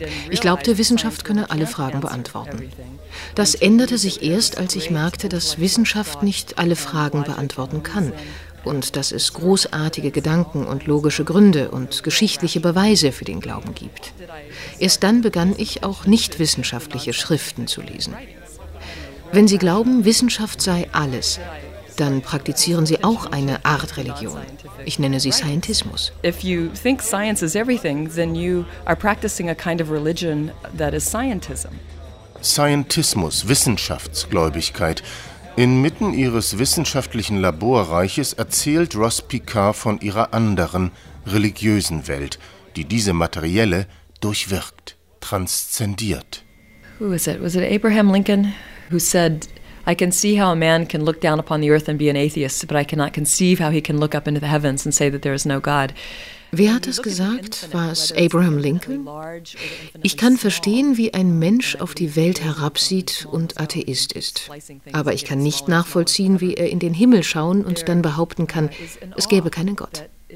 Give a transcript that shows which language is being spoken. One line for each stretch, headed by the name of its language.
German: Ich glaubte, Wissenschaft könne alle Fragen beantworten. Das änderte sich erst, als ich merkte, dass Wissenschaft nicht alle Fragen beantworten kann und dass es großartige Gedanken und logische Gründe und geschichtliche Beweise für den Glauben gibt. Erst dann begann ich, auch nicht wissenschaftliche Schriften zu lesen. Wenn Sie glauben, Wissenschaft sei alles, dann praktizieren Sie auch eine Art Religion. Ich nenne sie Scientismus.
English: If you think science is everything, then you are practicing a kind of religion that is scientism.
German: Scientismus, Wissenschaftsgläubigkeit. Inmitten ihres wissenschaftlichen Laborreiches erzählt Ross Picard von ihrer anderen, religiösen Welt, die diese materielle durchwirkt, transzendiert.
English: Who is it? Was it Abraham Lincoln? Who said, I can see how a man can look down upon the earth and be an atheist, but I cannot conceive how he can look up into the heavens and say that there is no God.
German: Wer hat das gesagt? War es Abraham Lincoln? Ich kann verstehen, wie ein Mensch auf die Welt herabsieht und Atheist ist. Aber ich kann nicht nachvollziehen, wie er in den Himmel schauen und dann behaupten kann, es gäbe keinen Gott.